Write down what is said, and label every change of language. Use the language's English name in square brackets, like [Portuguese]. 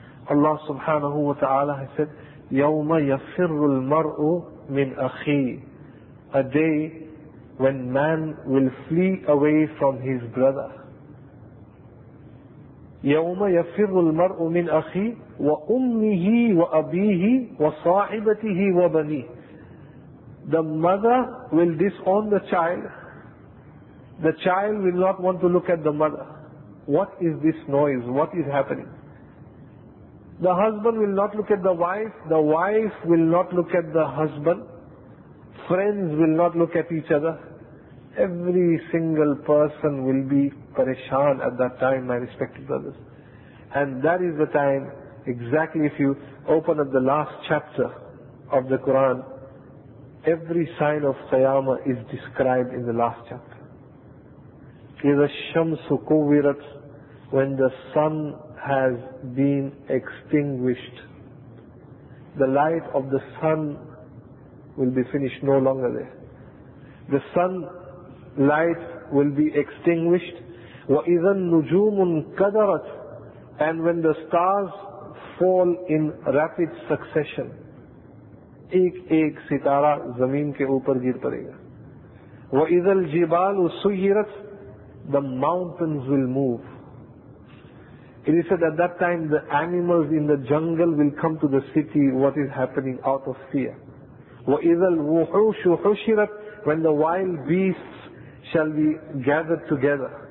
[English] Allah subhanahu wa ta'ala has said, [Arabic] يَوْمَ يَفِرُّ الْمَرْءُ مِنْ أَخِيهِ, [English] a day when man will flee away from his brother. [Arabic] يَوْمَ يَفِرُّ الْمَرْءُ مِنْ أَخِيهِ وَأُمِّهِ وَأَبِيهِ وَصَاحِبَتِهِ وَبَنِيهِ, [English] the mother will disown the child. The child will not want to look at the mother. What is this noise? What is happening? The husband will not look at the wife. The wife will not look at the husband. Friends will not look at each other. Every single person will be parishan at that time, my respected brothers. And that is the time, exactly, if you open up the last chapter of the Quran, every sign of Qiyamah is described in the last chapter. [Arabic] إِذَا الشَّمْسُ كُوِّرَتْ, [English] when the sun has been extinguished, the light of the sun will be finished, no longer there. The sun light will be extinguished. [Arabic] وَإِذَا النُّجُومٌ كَدَرَتْ, [English] and when the stars fall in rapid succession, [Urdu] ایک ایک ستارہ زمین کے اوپر گر پڑے گا. [Arabic] وَإِذَا الْجِبَالُ سُيِّرَتْ, [English] the mountains will move. It is said at that time the animals in the jungle will come to the city, what is happening, out of fear. [Arabic] وَإِذَا الْوُحُوشُ حُشِرَتْ, [English] when the wild beasts shall be gathered together.